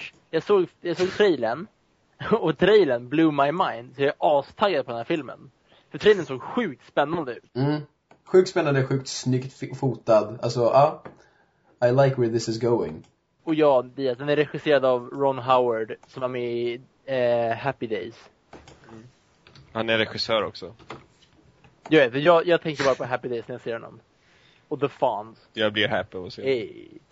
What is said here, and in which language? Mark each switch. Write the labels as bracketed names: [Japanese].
[Swedish] Jag såg trailern, och trailern [English] blew my mind, [Swedish] så jag är astaggad på den här filmen. För trailern såg sjukt spännande ut. Mm. Sjukt spännande, sjukt snyggt fotad. [English] Alltså, I like where this is going. [Swedish] Och ja, Dias, den är regisserad av Ron Howard, som var med i Happy Days. Mm. Han är regissör också. Jag tänker bara på Happy Days när jag ser honom. Och The Fonz. Jag blir happy att se.